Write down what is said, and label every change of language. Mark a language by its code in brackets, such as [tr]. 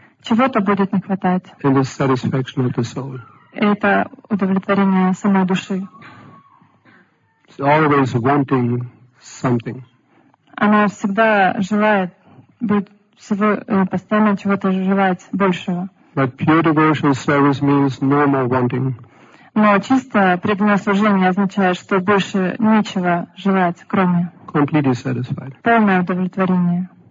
[ru] Чего-то будет не хватать. [en] In the satisfaction of the soul. [ru] Это удовлетворение самой души. [en] It's always wanting something. [ru] Она всегда желает быть всего, постоянно чего-то желать большего. [en] But pure devotional service means no more wanting. [ru] Но чистое преданное служение означает, что больше нечего желать, кроме [en] completely satisfied. [ru] Полное удовлетворение.